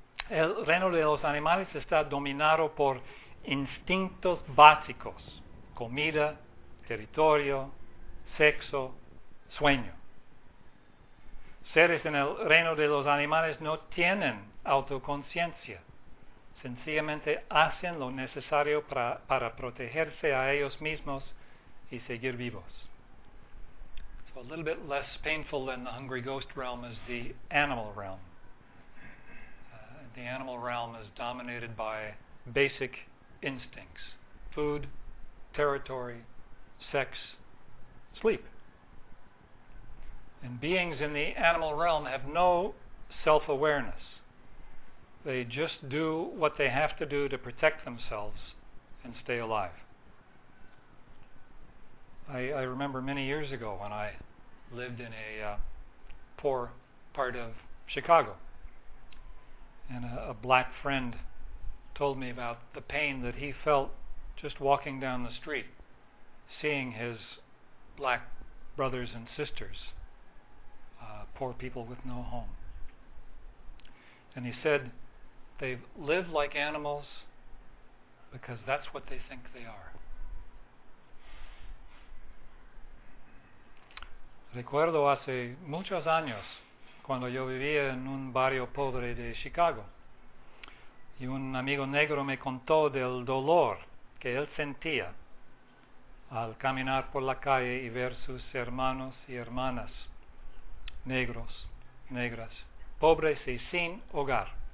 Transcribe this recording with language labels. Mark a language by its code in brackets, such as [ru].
[es] El reino de los animales está dominado por instintos básicos: comida, territorio, sexo, sueño. Seres en el reino de los animales no tienen autoconciencia. Sencillamente hacen lo necesario para protegerse a ellos mismos y seguir vivos. [en] So a little bit less painful than the hungry ghost realm is the animal realm. The animal realm is dominated by basic instincts: food, territory, sex, sleep. And beings in the animal realm have no self-awareness. They just do what they have to do to protect themselves and stay alive. I remember many years ago when I lived in a poor part of Chicago, and a black friend told me about the pain that he felt just walking down the street, seeing his black brothers and sisters poor people with no home. And he said, they live like animals because that's what they think they are. [es] Recuerdo hace muchos años cuando yo vivía en un barrio pobre de Chicago y un amigo negro me contó del dolor que él sentía al caminar por la calle y ver sus hermanos y hermanas negros, negras, pobres y sin hogar.